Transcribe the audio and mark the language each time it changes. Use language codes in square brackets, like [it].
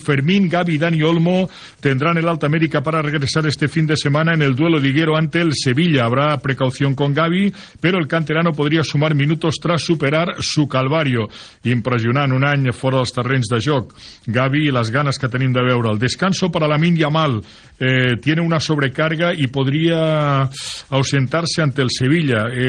[es] Fermín, Gavi, Dani Olmo tendrán el Alta América para regresar este fin de semana en el duelo liguero ante el Sevilla. Habrá precaución con Gavi, pero el canterano podría sumar minutos tras superar su calvario. [ca] Impressionant, un any fora dels terrenys de joc. Gavi, les ganes que tenim de veure. [es] El descanso para Lamine Yamal. Tiene una sobrecarga y podría ausentarse ante el Sevilla.